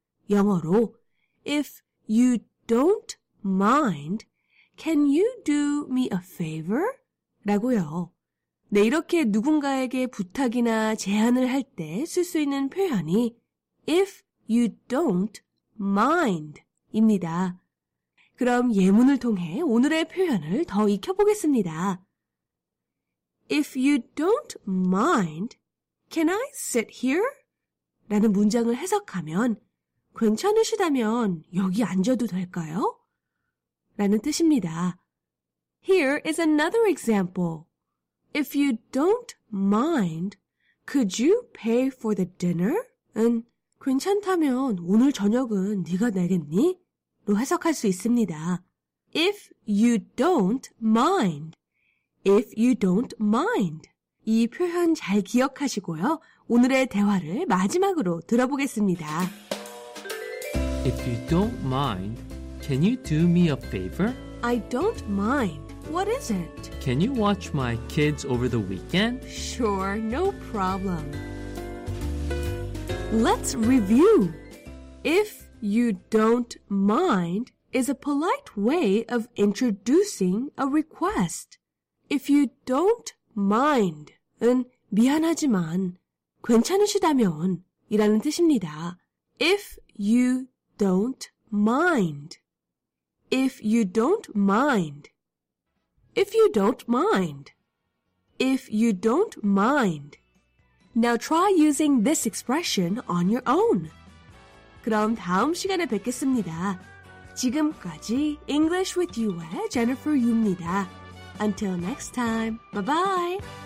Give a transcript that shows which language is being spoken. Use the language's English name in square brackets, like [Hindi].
[Korean] 영어로 [English] If you don't mind, can you do me a favor? [Korean] 라고요. 네, 이렇게 누군가에게 부탁이나 제안을 할 때 쓸 수 있는 표현이 [English] If you don't mind [Korean] 입니다. 그럼 예문을 통해 오늘의 표현을 더 익혀보겠습니다. [English] If you don't mind, can I sit here? [Korean] 라는 문장을 해석하면 괜찮으시다면 여기 앉아도 될까요? 라는 뜻입니다. [English] Here is another example. If you don't mind, could you pay for the dinner? [Korean] 은 괜찮다면 오늘 저녁은 네가 내겠니? 로 해석할 수 있습니다. [English] If you don't mind. If you don't mind. [Korean] 이 표현 잘 기억하시고요. 오늘의 대화를 마지막으로 들어보겠습니다. [English] If you don't mind, can you do me a favor? I don't mind. What is it? Can you watch my kids over the weekend? Sure, no problem. Let's review. If you don't mind is a polite way of introducing a request. If you don't mind [Korean] 은 미안하지만 괜찮으시다면 이라는 뜻입니다. [English] If you don't mind. If you don't mind. If you don't mind. If you don't mind. Now try using this expression on your own. [Korean] 그럼 다음 시간에 뵙겠습니다. 지금까지 English with You의 Jennifer Yu입니다. [English] Until next time, bye-bye!